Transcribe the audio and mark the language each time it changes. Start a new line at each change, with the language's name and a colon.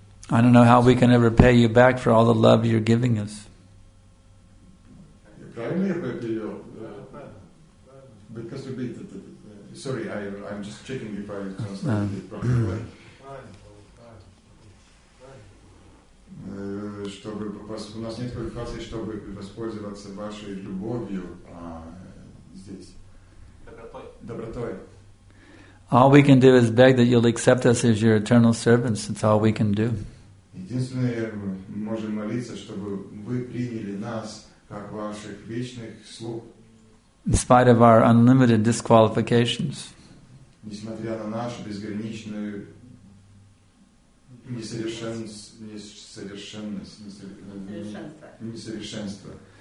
English: I don't know how we can ever pay you back for all the love you're giving us. Sorry, I'm just checking if I translated it properly.
Russian: Чтобы у нас нет квалификации, чтобы воспользоваться вашей любовью здесь. Добротой.
English: All we can do is beg that you'll accept us as your eternal servants. That's all we can do.
Russian: Единственное, мы можем молиться, чтобы вы приняли нас как ваших вечных слуг.
English: In spite of our unlimited disqualifications.
Russian: Несмотря на наши безграничные несовершенства.